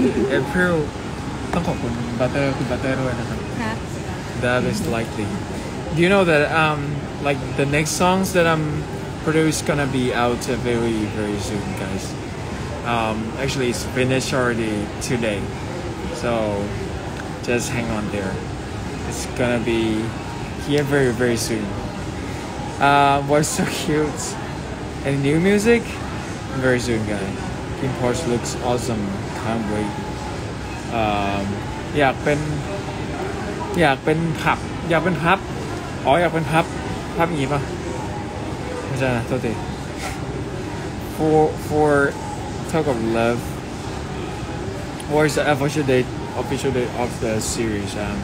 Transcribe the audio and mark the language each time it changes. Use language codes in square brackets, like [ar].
[th] เอพริลต้องขอบคุณบัตเตอร์คุณบัตเตอร์ด้วยนะครับ ครับ [en] That is likely. Do you know that like the next songs that I'm produced gonna be out very very soon, guys? Actually, it's finished already today, so. Just hang on there. It's gonna be here very, very soon. What's so cute? And new music? Very soon, guys. Kim Porsche looks awesome. Can't wait. [th] อยากเป็นพับอยากเป็นพับอ๋ออยากเป็นพับพับอย่างนี้ป่ะไม่ใช่นะโทษที [en] for talk of love. What's the official dateOfficial date of the series.